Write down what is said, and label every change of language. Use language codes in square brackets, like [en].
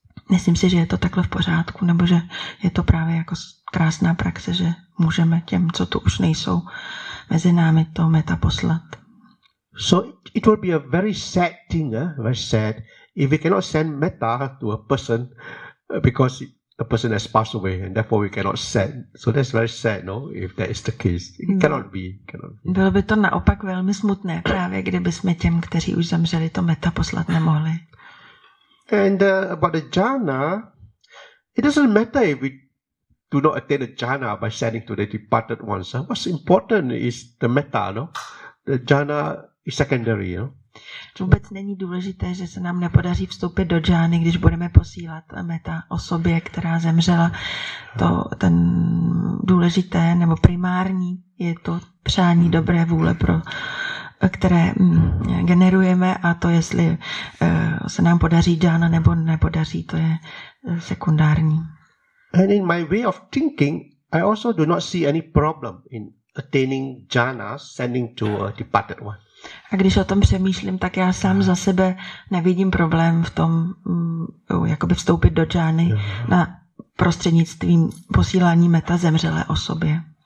[cs] myslím si, že je to takhle v pořádku, nebo že je to právě jako krásná praxe, že můžeme těm, co tu už nejsou, mezi námi to meta poslat. [en] So it would be a very sad thing, very sad, if we cannot send meta to a person because the person has passed away and therefore we cannot send. So that's very sad, no, if that is the case. It cannot be. [cs] Bylo by to naopak velmi smutné právě, kdyby jsme těm, kteří už zemřeli, to meta poslat nemohli. [en] And about the jhana, it doesn't matter if we do not attain the jhana by sending to the departed ones. What's important is the metta, no? The jhana is secondary, you know? [cs] Vůbec není důležité, že se nám nepodaří vstoupit do jhany, když budeme posílat metta osobě, která zemřela. To ten důležité nebo primární je to přání dobré vůle pro které generujeme a to, jestli se nám podaří džána nebo nepodaří, to je sekundární. [en] And in my way of thinking, I also do not see any problem in attaining džána, sending to a departed one. [cs] A když o tom přemýšlím, tak já sám za sebe nevidím problém v tom jakoby vstoupit do džány na prostřednictvím posílání meta zemřelé osobě.